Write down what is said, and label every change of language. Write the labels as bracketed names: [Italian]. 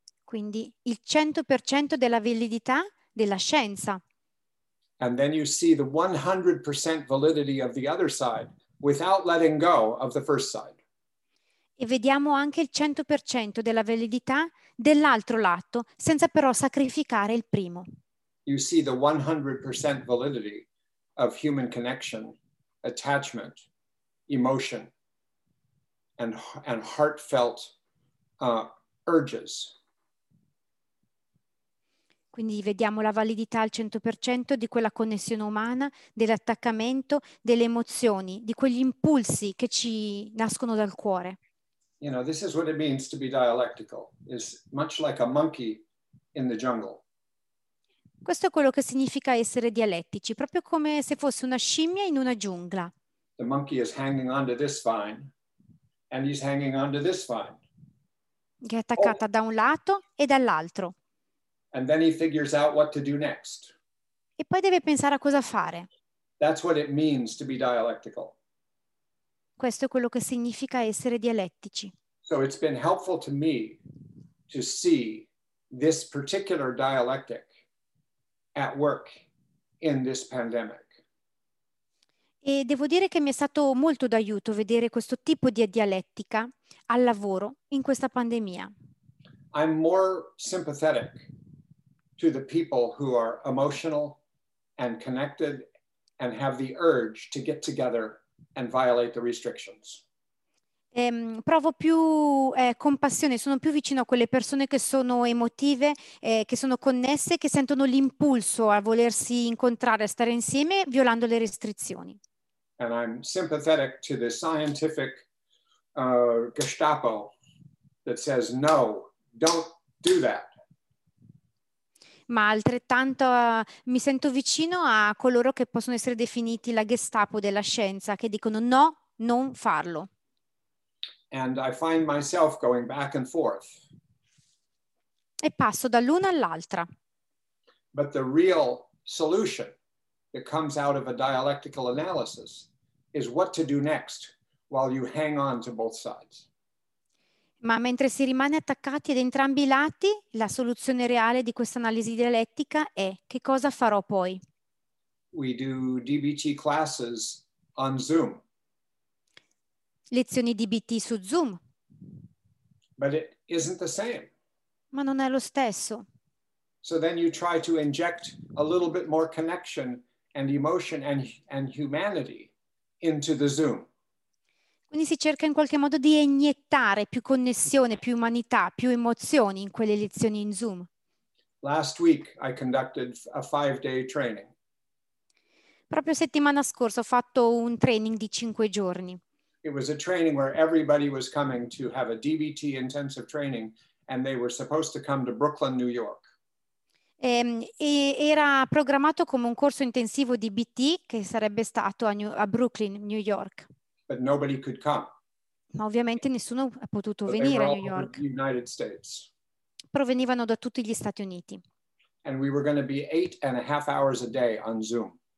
[Italian] Quindi il 100% della validità della scienza. [English] And then you see the 100% validity of the other side without letting go of the first side. [Italian] E vediamo anche il 100% della validità dell'altro lato, senza però sacrificare il primo. [English] You see the 100% validity of human connection, attachment, emotion, and heartfelt urges. [Italian] Quindi vediamo la validità al 100% di quella connessione umana, dell'attaccamento, delle emozioni, di quegli impulsi che ci nascono dal cuore. [English] You know, this is what it means to be dialectical. It's much like a monkey in the jungle. [Italian] Questo è quello che significa essere dialettici, proprio come se fosse una scimmia in una giungla. [English] The monkey is hanging onto this vine, and he's hanging onto this vine. [Italian] Che è attaccata da un lato e dall'altro. [English] And then he figures out what to do next. [Italian] E poi deve pensare a cosa fare. [English] That's what it means to be dialectical. [Italian] Questo è quello che significa essere dialettici. [English] So it's been helpful to me to see this particular dialectic at work in this pandemic. [Italian] E devo dire che mi è stato molto d'aiuto vedere questo tipo di dialettica al lavoro in questa pandemia. [English] I'm more sympathetic to the people who are emotional and connected and have the urge to get together and violate the restrictions. [Italian] Provo più compassione, sono più vicino a quelle persone che sono emotive, che sono connesse, che sentono l'impulso a volersi incontrare, a stare insieme, violando le restrizioni. [English] And I'm sympathetic to the scientific Gestapo that says no, don't do that. [Italian] Ma altrettanto mi sento vicino a coloro che possono essere definiti la Gestapo della scienza, che dicono no, non farlo. [English] And I find myself going back and forth. [Italian] E passo dall'una all'altra. [English] But the real solution that comes out of a dialectical analysis is what to do next while you hang on to both sides. [Italian] Ma mentre si rimane attaccati ad entrambi i lati, la soluzione reale di questa analisi dialettica è che cosa farò poi? [English] We do DBT classes on Zoom. [Italian] Lezioni DBT su Zoom. [English] But it isn't the same. [Italian] Ma non è lo stesso. [English] So then you try to inject a little bit more connection and emotion and humanity into the Zoom. [Italian] Quindi si cerca in qualche modo di iniettare più connessione, più umanità, più emozioni in quelle lezioni in Zoom. [English] Last week I conducted a 5-day training. [Italian] Proprio settimana scorsa ho fatto un training di 5 giorni. [English] It was a training where everybody was coming to have a DBT intensive training and they were supposed to come to Brooklyn, New York. [Italian] Era programmato come un corso intensivo DBT che sarebbe stato a Brooklyn, New York. [English] But nobody could come. [Italian] Ma ovviamente nessuno ha potuto venire a New York. [English] The United States. [Italian] Provenivano da tutti gli Stati Uniti. [English] And we were going to be 8.5 hours a day on Zoom.